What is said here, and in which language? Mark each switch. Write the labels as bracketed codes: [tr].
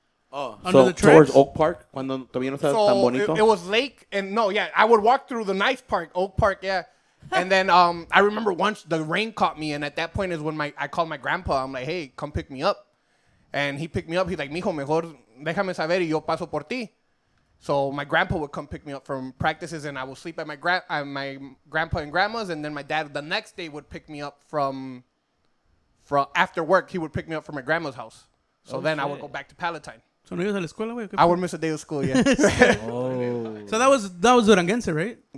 [en] Oh, so towards Oak Park, cuando todavía no estaba tan bonito. It was Lake, I would walk through the nice park, Oak Park, yeah. And then I remember once the rain caught me, and at that point is when I called my grandpa. I'm like, hey, come pick me up. And he picked me up. [es] He's like, mijo, mejor déjame saber y yo paso por ti. [en] So my grandpa would come pick me up from practices, and I would sleep at my grandpa and grandma's, and then my dad the next day would pick me up from after work. He would pick me up from my grandma's house. So then shit. I would go back to Palatine. [es] So no ibas a la escuela, güey? [en] I would miss a day of school, yeah. So that was Durangense, right?